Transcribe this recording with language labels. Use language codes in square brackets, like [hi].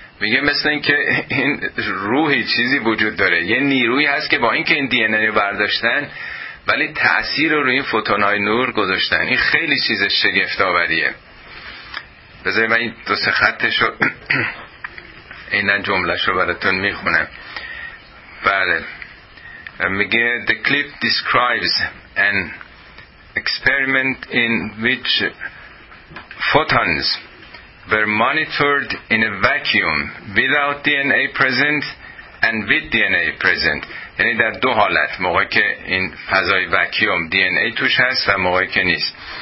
[fa] میگه مثل این که این روحی چیزی وجود داره، یه نیرویی هست که با اینکه این دی ان ای رو برداشتن ولی تأثیر رو روی این فوتون‌های نور گذاشتن. این خیلی چیز شگفت‌آوریه. بذاری من این دو سه خطش رو اینن جملش رو براتون میخونم. بله، میگه [en] the clip describes an experiment in which photons were monitored in a vacuum without DNA present and with DNA present. [fa] یعنی در دو حالت، موقعی که این فضای وکیوم DNA توش هست و موقعی که نیست.